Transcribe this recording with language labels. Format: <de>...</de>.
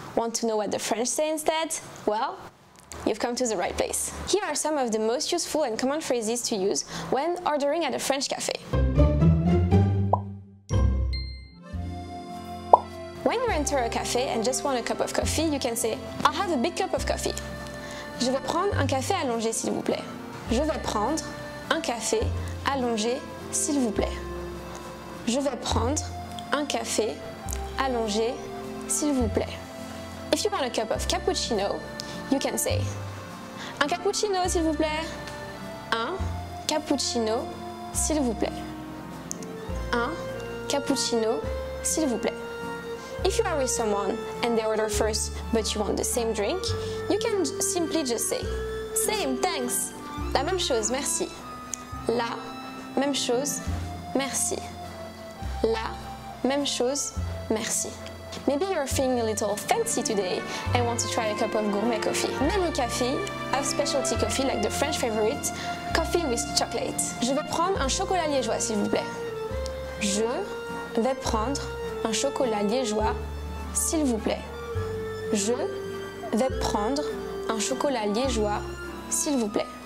<en>Want to know what the French say instead? Well, you've come to the right place. Here are some of the most useful and common phrases to use when ordering at a French cafe. When you enter a café and just want a cup of coffee, you can say, I'll have a big cup of coffee.</en> <fr>Je vais prendre un café allongé, s'il vous plaît. Je vais prendre un café allongé, s'il vous plaît. Je vais prendre un café allongé, s'il vous plaît.</fr> <en>If you want a cup of cappuccino, you can say,</en> <fr>un cappuccino, s'il vous plaît. Un cappuccino, s'il vous plaît. Un cappuccino, s'il vous plaît.</fr> <en>If you are with someone and they order first, but you want the same drink, you can simply just say, same, thanks.</en> <fr>La même chose, merci. La même chose, merci. La même chose, merci.</fr> <en>Maybe you're feeling a little fancy today and want to try a cup of gourmet coffee. Many cafés have specialty coffee like the French favorite, coffee with chocolate.</en> <fr>Je vais prendre un chocolat liégeois, s'il vous plaît. Je vais prendre un chocolat liégeois, s'il vous plaît. Je vais prendre un chocolat liégeois, s'il vous plaît.</fr>